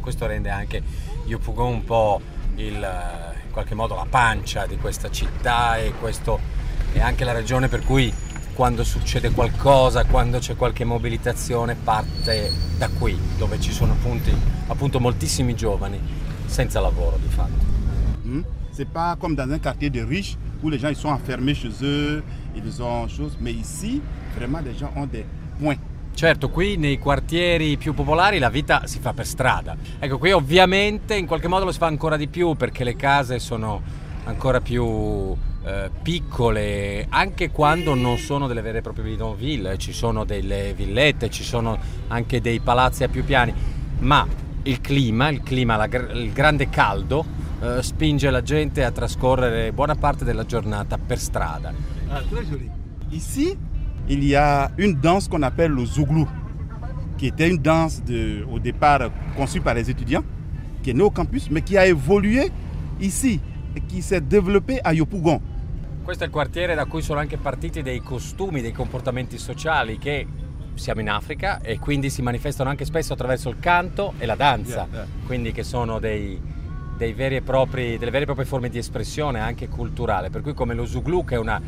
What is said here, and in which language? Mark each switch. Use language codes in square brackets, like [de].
[it] Questo rende anche Yopougon un po' il, in qualche modo, la pancia di questa città, e questo è anche la ragione per cui quando succede qualcosa, quando c'è qualche mobilitazione, parte da qui, dove ci sono appunto, appunto moltissimi giovani senza lavoro di fatto. [fr] C'est pas comme dans un quartier de riches où les gens ils sont enfermés chez eux, ils ont choses, mais ici vraiment les gens ont des points. [it] Certo, qui nei quartieri più popolari la vita si fa per strada. Ecco, qui ovviamente in qualche modo lo si fa ancora di più perché le case sono ancora più piccole, anche quando non sono delle vere e proprie bidonville, ci sono delle villette, ci sono anche dei palazzi a più piani, ma il clima, il grande caldo spinge la gente a trascorrere buona parte della giornata per strada. [fr] Ah, très joli. Ici, il y a une danse qu'on appelle le zouglou, qui était une danse de, au départ conçue par les étudiants, qui est née au campus, mais qui a évolué ici, qui s'est développée à Yopougon. [it] Questo è il quartiere da cui sono anche partiti dei costumi, dei comportamenti sociali che siamo in Africa e quindi si manifestano anche spesso attraverso il canto e la danza, quindi che sono dei veri e propri, delle vere e proprie forme di espressione anche culturale, per cui come lo Zouglou, che